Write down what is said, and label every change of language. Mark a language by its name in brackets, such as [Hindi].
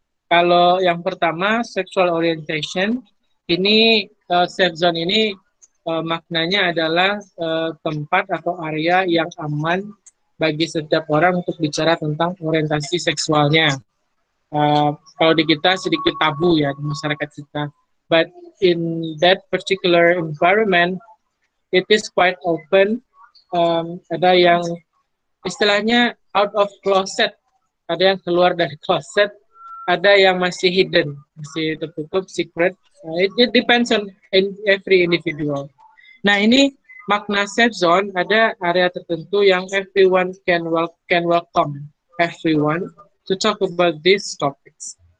[Indonesian] Kalau yang pertama, sexual orientation, ini safe zone ini maknanya adalah tempat atau area yang aman bagi setiap orang untuk bicara tentang orientasi seksualnya. Kalau di kita sedikit tabu ya, di masyarakat kita. [English] But in that particular environment, it is quite open. [Indonesian] Ada yang istilahnya [English] out of closet, [Indonesian] ada yang keluar dari closet, ada yang masih hidden, masih tertutup, secret. [English] It depends on every individual. [Indonesian] Nah, ini makna safe zone, ada area tertentu yang [English] everyone can welcome everyone to talk about these topics.